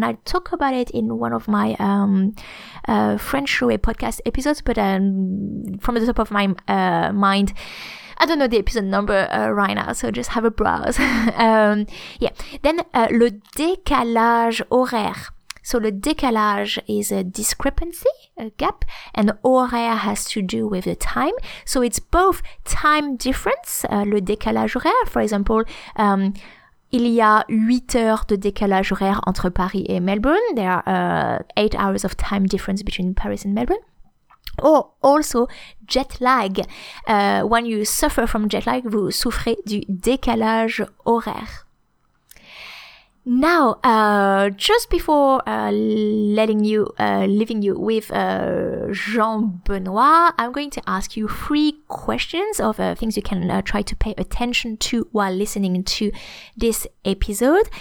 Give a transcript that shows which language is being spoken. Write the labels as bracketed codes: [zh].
[en] And I talk about it in one of my French Roué podcast episodes, but from the top of my mind, I don't know the episode number right now, so just have a browse. [fr] Then le décalage horaire. [en] So [fr] le décalage [en] is a discrepancy, a gap, and [fr] horaire [en] has to do with the time. So it's both time difference, [fr] le décalage horaire. For example, il y a 8 heures de décalage horaire entre Paris et Melbourne. [en] There are 8 hours of time difference between Paris and Melbourne. Or also jet lag. When you suffer from jet lag, [fr] vous souffrez du décalage horaire. [en] Now, just before leaving you with Jean-Benoît, I'm going to ask you three questions of things you can try to pay attention to while listening to this episode.